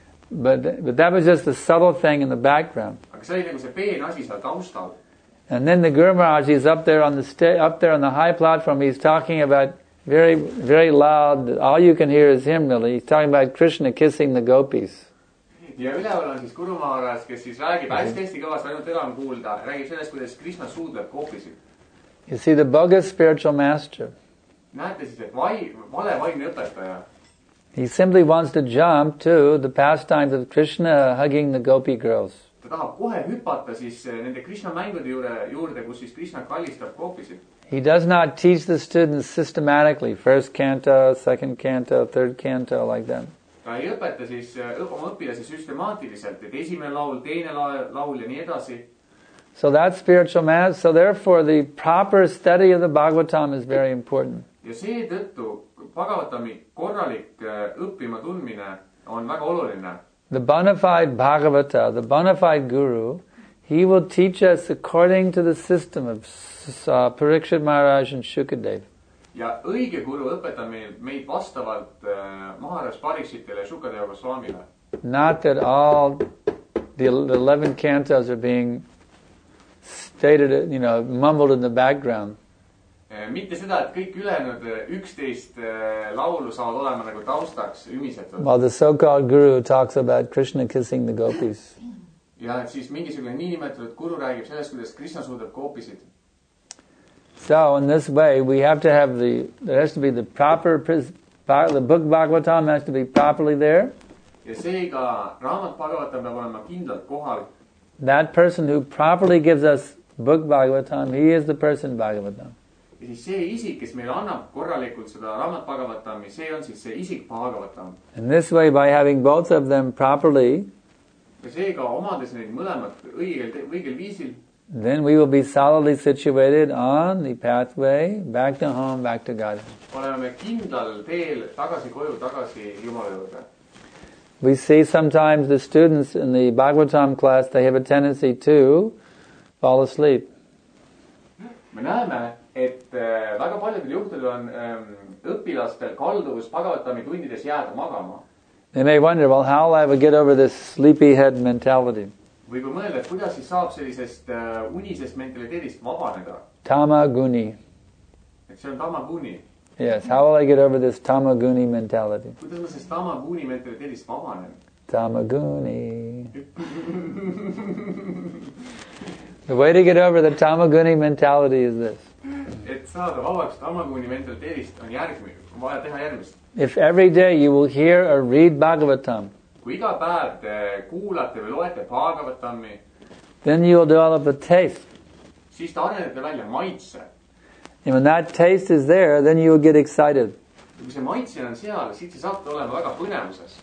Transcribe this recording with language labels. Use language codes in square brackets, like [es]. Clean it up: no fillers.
[en] But that was just a subtle thing in the background. [et] Aga see oli nagu see peen asi seal taustal. [en] And then the Guru Maharaj is up there on the high platform. He's talking about very, very loud. All you can hear is him, really. He's talking about Krishna kissing the gopis. [et] Ja üleval on siis Guru Maharaj, kes siis räägib hästi kõvas, ainult elan kuulda. Räägib sellest, kuidas Krishna suudleb gopisid. [en] You see, the bogus spiritual master. [et] Näete siis, et vale vaidne õpetaja. [en] He simply wants to jump to the pastimes of Krishna hugging the gopi girls. [et] Ta tahab kohe hüpata siis nende Krishna mängude juurde, kus siis Krishna kallistab koopisid. [en] He does not teach the students systematically, first canto, second canto, third canto, like that. [et] Ta ei õpeta siis õppilase süstemaatiliselt, et esimene laul, teine laul ja nii edasi. [en] So that spiritual mass, so therefore the proper study of the Bhagavatam is very important. [et] Ja see tõttu Bhagavatami korralik õppima tundmine on väga oluline. [en] The bona fide Bhagavata, the bona fide guru, he will teach us according to the system of Parikshit Maharaj and Shukadev. [et] Ja õige guru õpeta meid vastavalt Maharaj Parikshitile Shukadeva Goswamile. [en] Not that all the 11 cantos are being stated, you know, mumbled in the background. [et] Mitte seda, et kõik ülenud 11 laulu saavad olema nagu taustaks ümisetud. [en] While the so-called guru talks about Krishna kissing the gopis. [et] Ja siis mingisugune nii nimetatud guru räägib sellest, kuidas Krishna suudab gopisid. [en] So in this way we have to have there has to be the proper, the book Bhagavatam has to be properly there. [et] Ja seega Raamat Bhagavatam peab olema kindlalt kohal. [en] That person who properly gives us book Bhagavatam, he is the person Bhagavatam. [et] Ja siis see isik, kes meil annab korralikult seda Raamat Bhagavatami, see on siis see isik Bhagavatam. [en] In this way, by having both of them properly, [et] ja seega omades neid mõlemad õigel viisil, [en] then we will be solidly situated on the pathway back to home, back to God. [et] Oleme kindlal teel tagasi koju, tagasi Jumala juurde. [en] We see sometimes the students in the Bhagavatam class, they have a tendency to fall asleep. [et] Me näeme, et väga paljudel juhtudel on õpilastel kalduvus Bhagavatami tundides jääda magama. [en] They may wonder, well, how will I ever get over this sleepyhead mentality? [et] Võib mõelda, et kuidas siis saab sellisest unisest mentaliteedist vabaneda? [en] Tamaguni. [et] Et see on tamaguni. [en] Yes, how will I get over this tamaguni mentality? [et] Kuidas ma siis tamaguni mentaliteedist vabanen? [en] Tamaguni. The way to get over the tamaguni mentality is this. [et] Et saada vabaks tamaguni mentaliteedist on järgmine, vaja teha järgmist. [en] If every day you will hear or read Bhagavatam. [et] Kui iga päev te kuulate või loete Bhagavatami. [en] Then you will develop a taste. [et] Siis te arendate välja maitse. [en] And when that taste is there, then you will get excited. [et] Kui see maitse on seal, siit sa saad olema väga põnemuses.